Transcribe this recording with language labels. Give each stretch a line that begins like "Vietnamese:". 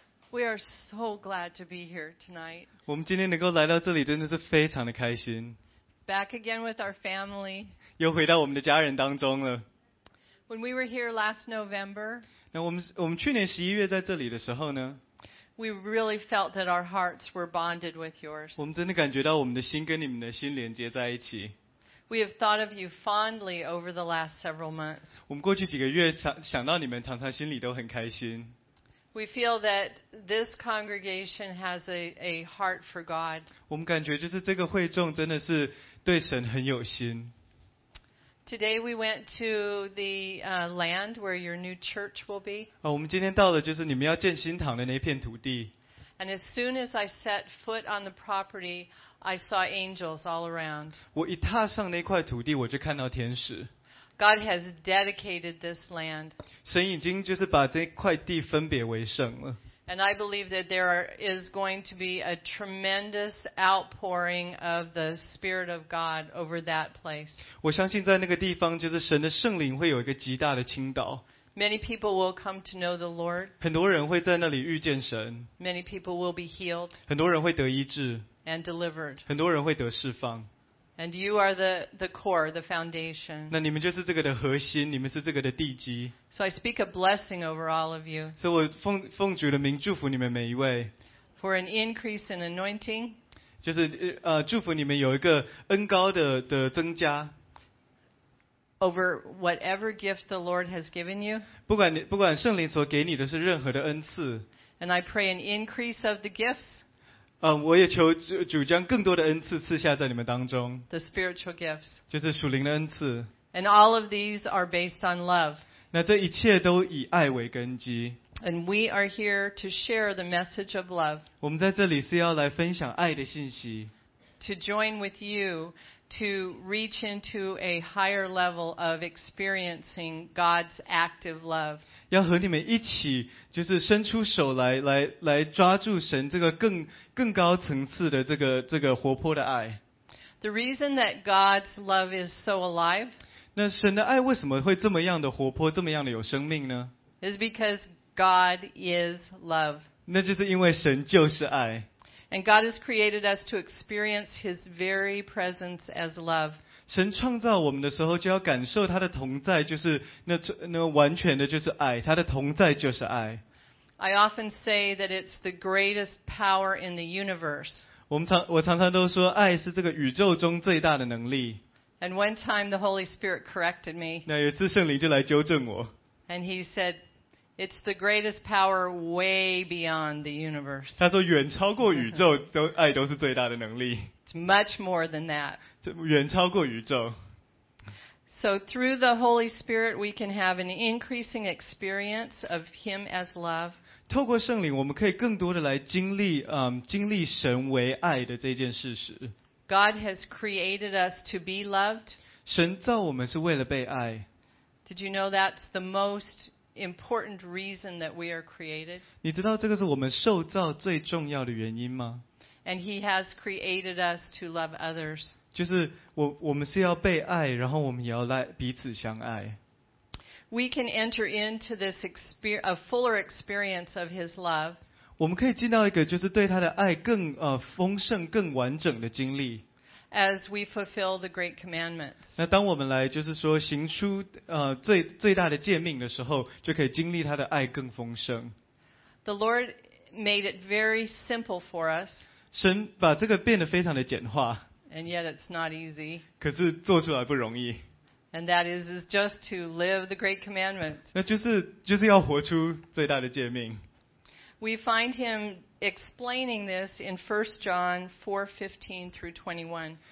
English: We are so glad to be here tonight.
Chinese: 我们今天能够来到这里，真的是非常的开心。
English: Back again with our family.
Chinese: 又回到我们的家人当中了。
English: When we were here last November.
Chinese: 那我们去年11月在这里的时候呢，
English: We really felt that our hearts were bonded with yours.
Chinese: 我们真的感觉到我们的心跟你们的心连接在一起。
English: We have thought of you fondly over the last several months.
Chinese: 我们过去几个月想到你们，常常心里都很开心。
English: We feel that this congregation has a heart for God.
Chinese: 我们感觉就是这个会众真的是对神很有心。
English: Today we went to the land where your new church will be.
Chinese: 我们今天到了就是你们要建新堂的那片土地。
English: And as soon as I set foot on the property, I saw angels all around.
Chinese: 我一踏上那块土地，我就看到天使。
English: God has dedicated this land.
Chinese: 神已经就是把这块地分别为圣了。
English: And I believe that there is going to be a tremendous outpouring of the Spirit of God over that place.
Chinese: 我相信在那个地方，就是神的圣灵会有一个极大的倾倒。
English: Many people will come to know the Lord.
Chinese: 很多人会在那里遇见神。
English: Many people will be healed.
Chinese: 很多人会得医治。
English: And delivered.
Chinese: 很多人会得释放。
English: And you are the core, the foundation.
Chinese: 那你们就是这个的核心，你们是这个的地基。
English: So I speak a blessing over all of you.
Chinese: 所以我奉主的名祝福你们每一位。
English: For an increase in anointing.
Chinese: 就是祝福你们有一个恩膏的增加。
English: Over whatever gift the Lord has given you.
Chinese: 不管圣灵所给你的是任何的恩赐。
English: And I pray an increase of the gifts.
Chinese: 我也求主将更多的恩赐赐下在你们当中。
English: The spiritual gifts.
Chinese: 就是属灵的恩赐。
English: And all of these are based on love.
Chinese: 那这一切都以爱为根基。
English: And we are here to share the message of love.
Chinese: 我们在这里是要来分享爱的信息。
English: To join with you. To reach into a higher level of experiencing God's active love.
Chinese: 要和你们一起，就是伸出手来抓住神这个更高层次的这个活泼的爱。
English: The reason that God's love is so alive.
Chinese: 那神的爱为什么会这么样的活泼，这么样的有生命呢？
English: Is because God is love.
Chinese: 那就是因为神就是爱。
English: And God has created us to experience His very presence as love.
Chinese: 神创造我们的时候就要感受他的同在，就是那完全的就是爱，他的同在就是爱。
English: I often say that it's the greatest power in the universe.
Chinese: 我常常都说爱是这个宇宙中最大的能力。
English: And one time the Holy Spirit corrected me.
Chinese: 那有一次圣灵就来纠正我。
English: And He said,It's the greatest power way beyond the universe.
Chinese: 他说远超过宇宙，都爱都是最大的能力。
English: It's much more than that.
Chinese: 远超过宇宙。
English: So through the Holy Spirit, we can have an increasing experience of Him as love.
Chinese: 透过圣灵，我们可以更多的来经历神为爱的这件事实。
English: God has created us to be loved.
Chinese: 神造我们是为了被爱。
English: Did you know that's the most important reason that we are created.
Chinese: 你知道这个是我们受造最重要的原因吗？
English: And He has created us to love others.
Chinese: 就是我们是要被爱，然后我们也要来彼此相爱。
English: We can enter into this a fuller experience of His love.
Chinese: 我们可以进到一个就是对他的爱更丰盛、更完整的经历。
English: As we fulfill the great commandments.
Chinese: 那当我们来就是说行出最大的诫命的时候，就可以经历他的爱更丰盛。
English: The Lord made it very simple for us.
Chinese: 神把这个变得非常的简化。
English: And yet it's not easy.
Chinese: 可是做出来不容易。
English: And that is just to live the great commandments.
Chinese: 那就是要活出最大的诫命。
English: We find him explaining this in 1 John 4:15 through 21.